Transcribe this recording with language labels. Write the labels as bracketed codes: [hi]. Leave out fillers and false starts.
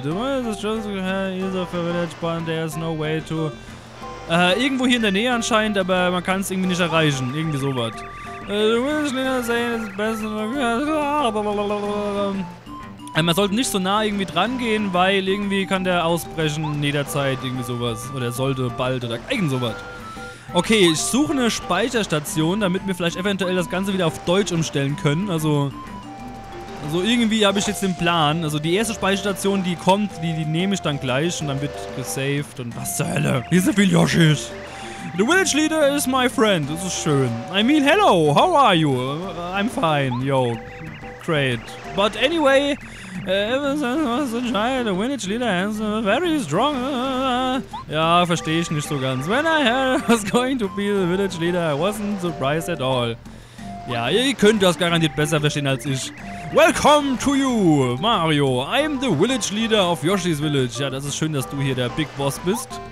[en] This is just a village, but there's no way to... [de] irgendwo hier in der Nähe anscheinend, aber man kann es irgendwie nicht erreichen. Irgendwie sowas. Du willst nicht sagen, das ist besser. Man sollte nicht so nah irgendwie dran gehen, weil irgendwie kann der ausbrechen jederzeit, irgendwie sowas. Oder sollte bald oder irgend sowas. Okay, ich suche eine Speicherstation, damit wir vielleicht eventuell das Ganze wieder auf Deutsch umstellen können. Also irgendwie habe ich jetzt den Plan. Also die erste Speicherstation, die kommt, die nehme ich dann gleich und dann wird gesaved und was zur Hölle. Hier sind viele Yoshis. [en] The village leader is my friend. [de] Das ist schön. [en] I mean, hello, how are you? I'm fine, yo. Great. But anyway, ever since I was a child, the village leader has a very strong... [de] Ja, verstehe ich nicht so ganz. [en] When I heard I was going to be the village leader, I wasn't surprised at all. [de] Ja, ihr könnt das garantiert besser verstehen als ich. [en] Welcome to you, Mario. I'm the village leader of Yoshi's Village. [de] Ja, das ist schön, dass du hier der Big Boss bist.